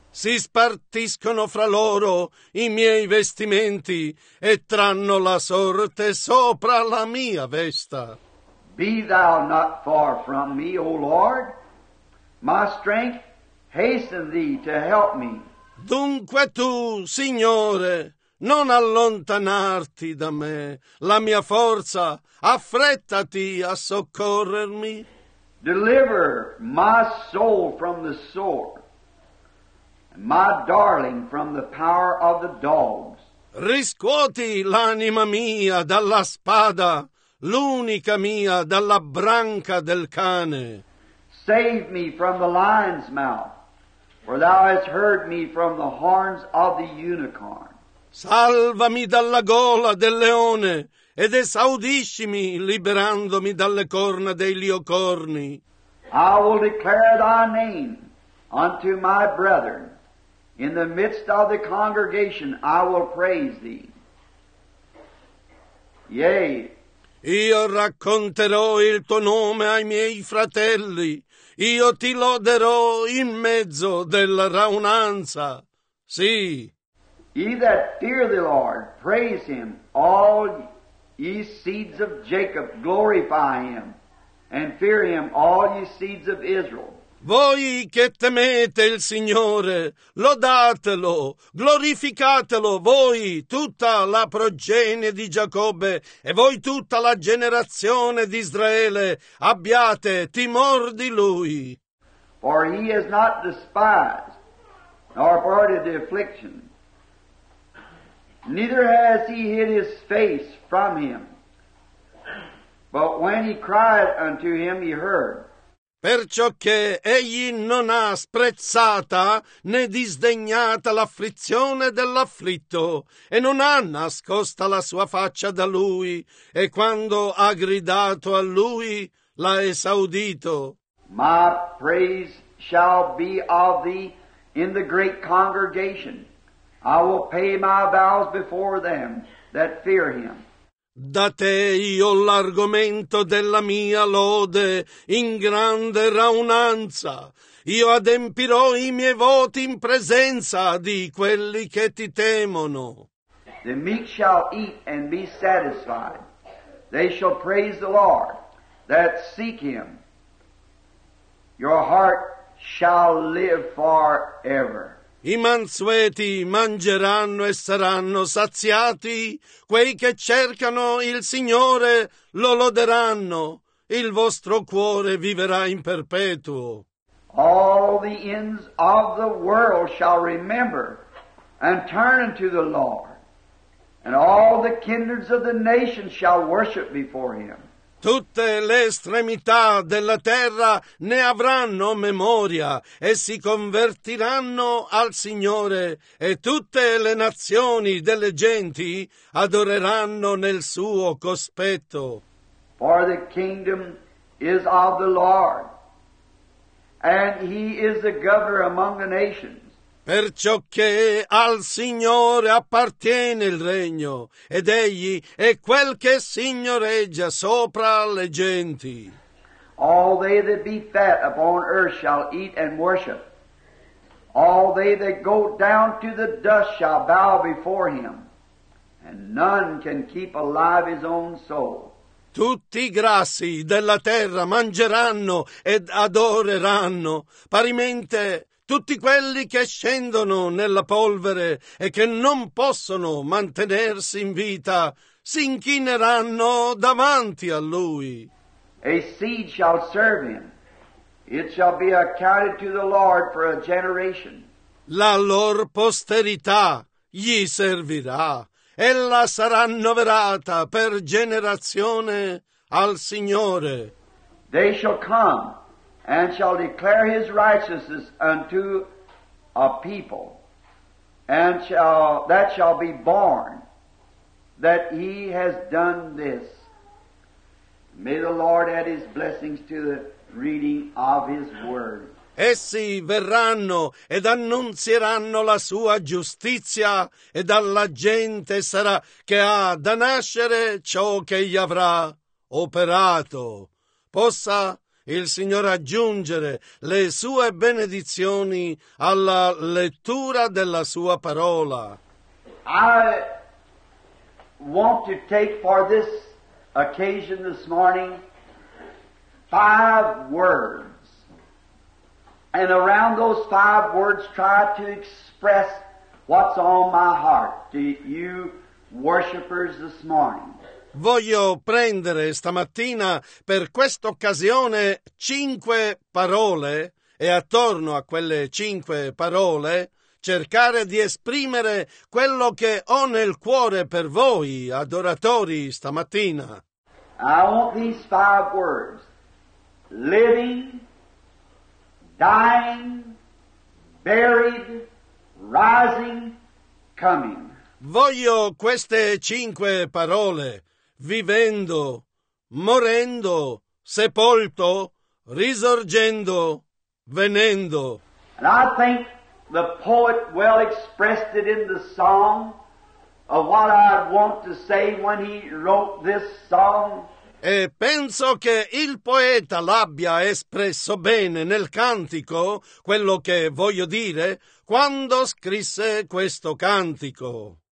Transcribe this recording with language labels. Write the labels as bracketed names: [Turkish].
[Italian] Si spartiscono fra loro i miei vestimenti e tranno la sorte sopra la mia vesta. [English] Be thou not far from me, O Lord. My strength, hasten thee to help me. [Italian] Dunque tu, Signore, non allontanarti da me, la mia forza, affrettati a soccorrermi. [English] Deliver my soul from the sword, my darling from the power of the dogs. [Italian] Riscuoti l'anima mia dalla spada, l'unica mia dalla branca del cane. [English] Save me from the lion's mouth, for thou hast heard me from the horns of the unicorn. [Italian] Salvami dalla gola del leone ed esaudiscimi liberandomi dalle corna dei leocorni. [English] I will declare thy name unto my brethren. In the midst of the congregation I will praise thee. Yea. [Italian] Io racconterò il tuo nome ai miei fratelli. Io ti loderò in mezzo della raunanza. Sì. [English] Ye that fear the Lord, praise him. All ye seeds of Jacob, glorify him. And fear him, all ye seeds of Israel. [Italian] Voi che temete il Signore, lodatelo, glorificatelo, voi tutta la progenie di Giacobbe e voi tutta la generazione di Israele, abbiate timor di lui. [English] For he is not despised, nor parted the affliction. Neither has he hid his face from him, but when he cried unto him, he heard. [Italian] Perciò che egli non ha sprezzata né disdegnata l'afflizione dell'afflitto, e non ha nascosta la sua faccia da lui, e quando ha gridato a lui, l'ha esaudito. [English] My praise shall be of thee in the great congregation. I will pay my vows before them that fear him. [Italian] Da te io l'argomento della mia lode in grande raunanza. Io adempirò i miei voti in presenza di quelli che ti temono. [English] The meek shall eat and be satisfied. They shall praise the Lord that seek him. Your heart shall live forever. [Italian] I mansueti mangeranno e saranno saziati. Quei che cercano il Signore lo loderanno. Il vostro cuore viverà in perpetuo. [English] All the ends of the world shall remember and turn unto the Lord. And all the kindreds of the nations shall worship before him. [Italian] Tutte le estremità della terra ne avranno memoria e si convertiranno al Signore, e tutte le nazioni delle genti adoreranno nel suo cospetto. [English] For the kingdom is of the Lord, and he is the governor among the nations. [Italian] Perciò che al Signore appartiene il regno, ed egli è quel che signoreggia sopra le genti. [English] All they that be fat upon earth shall eat and worship. All they that go down to the dust shall bow before him. And none can keep alive his own soul. [Italian] Tutti i grassi della terra mangeranno ed adoreranno, parimente tutti quelli che scendono nella polvere e che non possono mantenersi in vita si inchineranno davanti a lui. [English] A seed shall serve him. It shall be accounted to the Lord for a generation. [Italian] La lor posterità gli servirà. Ella sarà annoverata per generazione al Signore. [English] They shall come and shall declare his righteousness unto a people, and shall be born that he has done this. May the Lord add his blessings to the reading of his word. [Italian] Essi verranno ed annunzieranno la sua giustizia, e dalla gente sarà che ha da nascere ciò che gli avrà operato. Possa il Signore aggiungere le sue benedizioni alla lettura della sua parola. [English] I want to take for this occasion this morning five words, and around those five words try to express what's on my heart to you worshipers this morning. [Italian] Voglio prendere stamattina per questa occasione cinque parole, e attorno a quelle cinque parole cercare di esprimere quello che ho nel cuore per voi adoratori stamattina. [English] I want these five words: living, dying, buried, rising, coming. [Italian] Voglio queste cinque parole: vivendo, morendo, sepolto, risorgendo, venendo. [English] And I think the poet well expressed it in the song of what I want to say when he wrote this song. [Italian] E penso che il poeta l'abbia espresso bene nel cantico, quello che voglio dire, quando scrisse questo cantico.